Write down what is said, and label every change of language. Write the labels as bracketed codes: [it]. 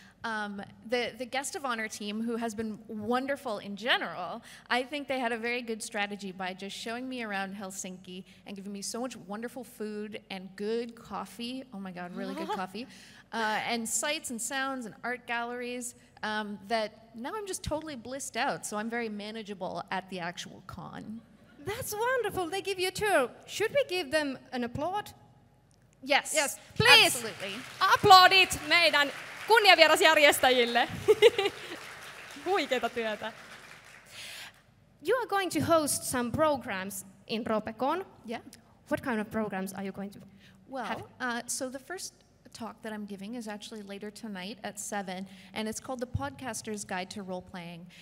[en] The guest of honor team, who has been wonderful in general, I think they had a very good strategy by just showing me around Helsinki and giving me so much wonderful food and good coffee. Oh my God, really good coffee. And sights and sounds and art galleries that now I'm just totally blissed out, so I'm very manageable at the actual con. That's wonderful. They give you a tour. Should we give them an applaud? Yes. Yes, please. Absolutely. Applaud it, [fi] meidän kunniavierasjärjestäjille. Huikeeta työtä. [en] You are going to host some programs in Ropecon. Yeah. What kind of programs are you going to Well, so the first talk that I'm giving is actually later tonight at 7, and it's called The Podcaster's Guide to Role-Playing.